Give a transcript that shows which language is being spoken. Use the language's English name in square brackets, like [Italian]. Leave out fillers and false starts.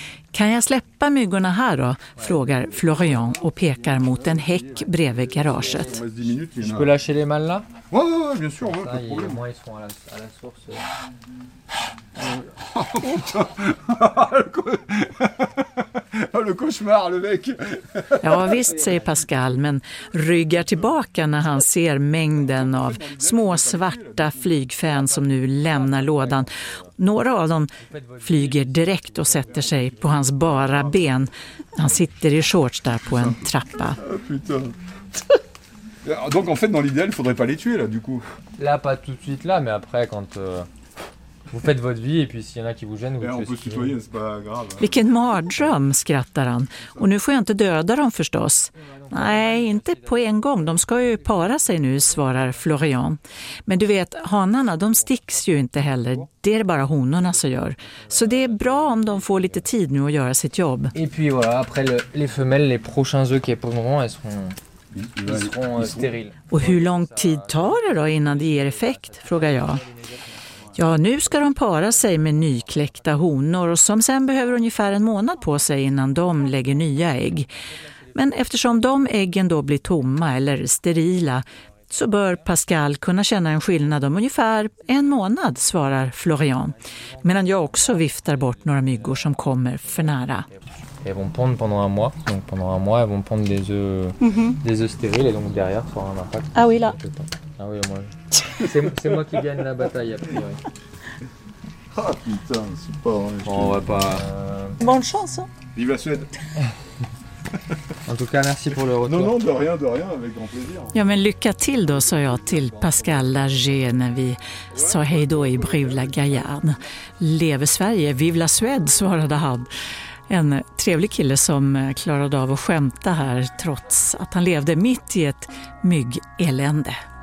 [Swedish] Kan jag släppa myggorna här då? Frågar Florian och pekar mot en häck bredvid garaget. [French] Je peux lâcher les mâles là? Ouais, ouais, ouais, bien sûr, ouais, pas de problème. Moi, ils sont à la source. Le cauchemar, le mec. [Swedish] Ja visst, säger Pascal, men ryggar tillbaka när han ser mängden av små svarta flygfän som nu lämnar lådan. Några av dem flyger direkt och sätter sig på hans bara ben. Han sitter i shorts där på en trappa. [French] Donc en fait dans l'idéal, il faudrait pas les tuer là du coup. Là pas tout de suite là, mais après quand vous faites votre vie et puis s'il y en a qui vous gênent, vous pouvez tutoyer, c'est pas grave. [Swedish] Vilken mardröm, skrattar han. Och nu får jag inte döda dem förstås. Nej, inte på en gång. De ska ju para sig nu, svarar Florian. Men du vet, hanarna, de sticks ju inte heller. Det är bara honorna som gör. Så det är bra om de får lite tid nu att göra sitt jobb. [French] Et puis voilà, après les femelles, les prochains œufs qui pondront, elles seront stériles. [Swedish] Och hur lång tid tar det då innan det ger effekt, frågar jag. Ja, nu ska de para sig med nykläckta honor och som sen behöver ungefär en månad på sig innan de lägger nya ägg. Men eftersom de äggen då blir tomma eller sterila så bör Pascal kunna känna en skillnad om ungefär en månad, svarar Florian. Medan jag också viftar bort några myggor som kommer för nära. De kommer att [French] pondre pendant un mois, donc pendant un mois, elles vont pondre des œufs, des œufs stériles, et donc derrière, ça aura un impact. Ah oui, là. Ah oui, moi. C'est moi qui gagne la bataille, a priori. Ah putain, c'est pas vrai. Bon, on va pas. Bonne chance. Hein. Vive la Suède. En tout cas, merci pour le retour. Non, non, de rien, avec grand plaisir. [Swedish] Ja, men lycka till då, sa jag till Pascal Lager när vi sa hej då i Brula-Gaillard. Leve Sverige, [French] vive la Suède, [Swedish] svarade han. En trevlig kille som klarade av att skämta här trots att han levde mitt i ett myggelände.